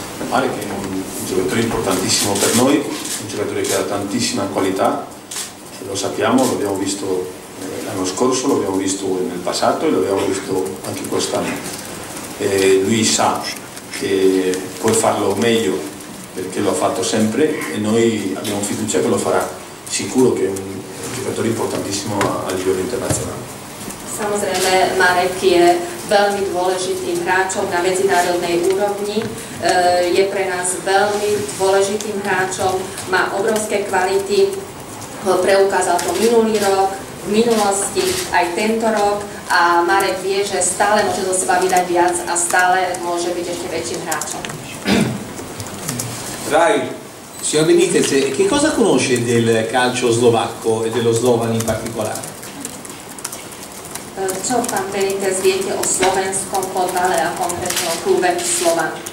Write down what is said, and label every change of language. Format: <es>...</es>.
<it>Marek è un giocatore importantissimo per noi, un giocatore che ha tantissima qualità, lo sappiamo, lo abbiamo visto l'anno scorso, lo abbiamo visto nel passato e lo abbiamo visto anche quest'anno. E lui sa che può farlo meglio perché lo ha fatto sempre e noi abbiamo fiducia che lo farà. Sicuro che è un giocatore importantissimo a livello internazionale.</it> <sk>Samozrejme, Marek je veľmi dôležitým hráčom na medzinárodnej úrovni, je pre nás veľmi dôležitým hráčom, má obrovské kvality, preukázal to minulý rok, v minulosti, aj tento rok a Marek vie, že stále môže zo seba vydať viac a stále môže byť ešte väčším hráčom.</sk> <it>Rai, signor Benitez, che cosa conosce del calcio slovacco e dello Slovan in particolare?</it> <sk>Čo, pán Benitez, viete o slovenskom fotbale a konkrétne o klube Slovan?</sk>